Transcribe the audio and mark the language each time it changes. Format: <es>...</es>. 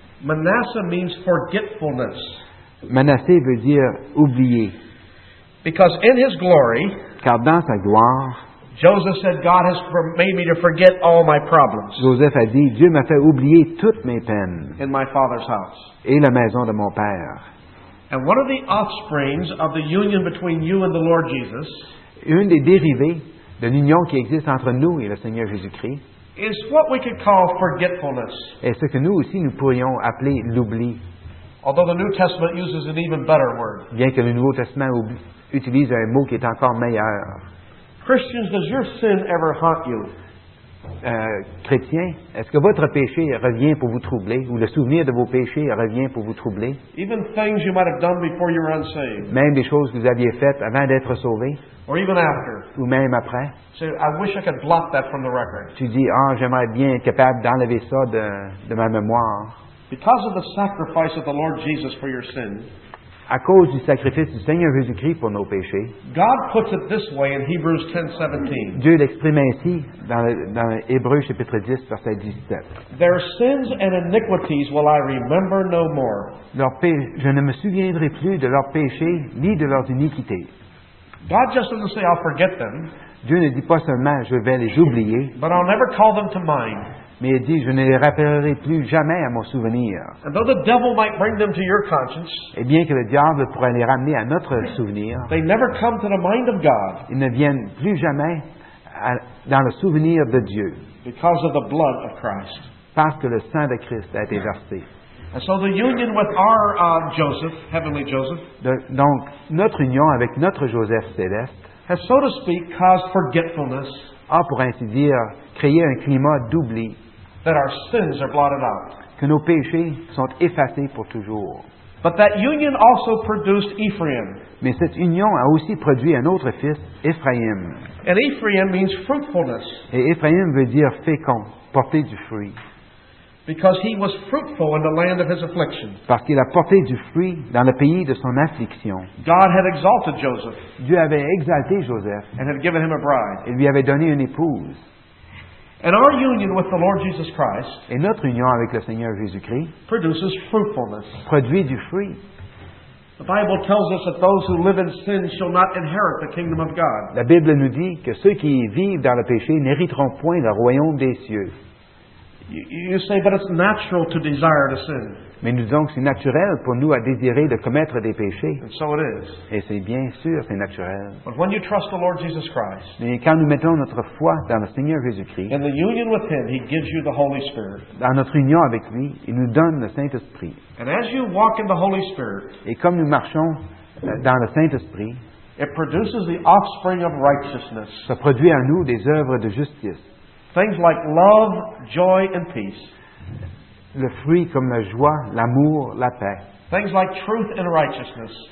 <en>Manasseh means forgetfulness.</en> <fr>Manassé veut dire oublier.</fr> <en>Because in his glory,</en> <fr>car dans sa gloire,</fr> <en>Joseph said, God has made me to forget all my problems.</en> <fr>Joseph a dit, Dieu m'a fait oublier toutes mes peines.</fr> <en>In my father's house.</en> <fr>Et la maison de mon père.</fr> <en>And one of the offsprings of the union between you and the Lord Jesus,</en> <fr>une des dérivées de l'union qui existe entre nous et le Seigneur Jésus-Christ,</fr> <en>is what we could call forgetfulness.</en> <fr>Et ce que nous aussi nous pourrions appeler l'oubli.</fr> <en>Although the New Testament uses an even better word.</en> <fr>Bien que le Nouveau Testament utilise un mot qui est encore meilleur.</fr> <en>Christians, does your sin ever haunt you?</en> <fr>chrétien, est-ce que votre péché revient pour vous troubler, ou le souvenir de vos péchés revient pour vous troubler?</fr> <en>Even things you might have done before you were unsaved.</en> <fr>Même des choses que vous aviez faites avant d'être sauvé.</fr> <en>Or even after.</en> <fr>Ou même après.</fr> <en>So I wish I could block that from the record.</en> <fr>Tu dis, ah, j'aimerais bien être capable d'enlever ça de ma mémoire.</fr> <en>Because of the sacrifice of the Lord Jesus for your sin.</en> <fr>À cause du sacrifice du Seigneur Jésus-Christ pour nos péchés.</fr> <en>God puts it this way in Hebrews 10:17.</en> <fr>Dieu l'exprime ainsi dans Hébreux chapitre 10 verset 17.</fr> <en>Their sins and iniquities will I remember no more.</en> <fr>Je ne me souviendrai plus de leurs péchés ni de leurs iniquités.</fr> <en>God just doesn't say I'll forget them.</en> <fr>Dieu ne dit pas seulement je vais les oublier.</fr> <en>But I'll never call them to mind.</en> <fr>Mais il dit, je ne les rappellerai plus jamais à mon souvenir.</fr> <en>And though the devil might bring them to your conscience,</en> <fr>et bien que le diable pourrait les ramener à notre souvenir,</fr> <en>they never come to the mind of God.</en> <fr>Ils ne viennent plus jamais dans le souvenir de Dieu.</fr> <en>Because of the blood of Christ.</en> <fr>Parce que le sang de Christ a été versé.</fr> <en>And so the union with our Joseph, heavenly Joseph,</en> <fr>donc notre union avec notre Joseph céleste,</fr> <en>has, so to speak, caused forgetfulness.</en> <fr>A pour ainsi dire créé un climat d'oubli.</fr> <en>That our sins are blotted out.</en> <fr>Que nos péchés sont effacés pour toujours.</fr> <en>But that union also produced Ephraim.</en> <fr>Mais cette union a aussi produit un autre fils, Ephraim.</fr> <en>And Ephraim means fruitfulness.</en> <fr>Et Ephraim veut dire fécond, porter du fruit.</fr> <en>Because he was fruitful in the land of his affliction.</en> <fr>Parce qu'il a porté du fruit dans le pays de son affliction.</fr> <en>God had exalted Joseph.</en> <fr>Dieu avait exalté Joseph.</fr> <en>And had given him a bride.</en> <fr>Et lui avait donné une épouse.</fr> <en>And our union with the Lord Jesus Christ.</en> <fr>Et notre union avec le Seigneur Jésus-Christ.</fr> <en>Produces fruitfulness.</en> <fr>Produit du fruit.</fr> <en>The Bible tells us that those who live in sin shall not inherit the kingdom of God.</en> <fr>La Bible nous dit que ceux qui vivent dans le péché n'hériteront point le royaume des cieux.</fr> <en>You say, but it's natural to desire to sin.</en> <fr>Mais nous disons que c'est naturel pour nous à désirer de commettre des péchés.</fr> <en>And so it is.</en> <fr>Et c'est bien sûr, c'est naturel.</fr> <en>But when you trust the Lord Jesus Christ,</en> <fr>mais quand nous mettons notre foi dans le Seigneur Jésus-Christ,</fr> <en>in the union with Him, He gives you the Holy Spirit.</en> <fr>Dans notre union avec lui, il nous donne le Saint-Esprit.</fr> <en>And as you walk in the Holy Spirit,</en> <fr>et comme nous marchons dans le Saint-Esprit,</fr> <en>it produces the offspring of righteousness.</en> <fr>Ça produit en nous des œuvres de justice.</fr> <en>Things like love, joy, and peace.</en> <fr>Le fruit comme la joie, l'amour, la paix.</fr> <en>Things like truth and righteousness.</en>